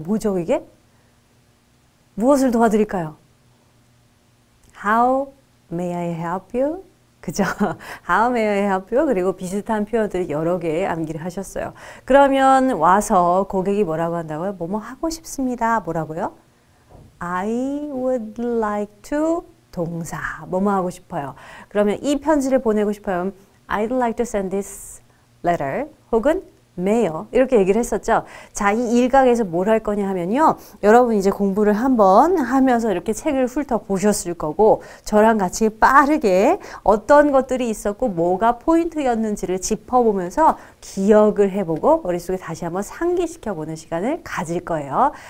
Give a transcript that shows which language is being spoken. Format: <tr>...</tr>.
<ko>뭐죠, 이게? 무엇을 도와드릴까요?</ko> <en>How may I help you? 그죠? How may I help you?</en> <ko>그리고 비슷한 표현들 여러 개 암기를 하셨어요. 그러면 와서 고객이 뭐라고 한다고요? 뭐뭐 하고 싶습니다. 뭐라고요?</ko> <en>I would like to 동사.</en> <ko>뭐뭐 하고 싶어요. 그러면 이 편지를 보내고 싶어요.</ko> <en>I'd like to send this letter.</en> <ko>혹은 매요. 이렇게 얘기를 했었죠. 자, 이 일각에서 뭘할 거냐 하면요. 여러분 이제 공부를 한번 하면서 이렇게 책을 훑어보셨을 거고, 저랑 같이 빠르게 어떤 것들이 있었고, 뭐가 포인트였는지를 짚어보면서 기억을 해보고, 머릿속에 다시 한번 상기시켜보는 시간을 가질 거예요.</ko>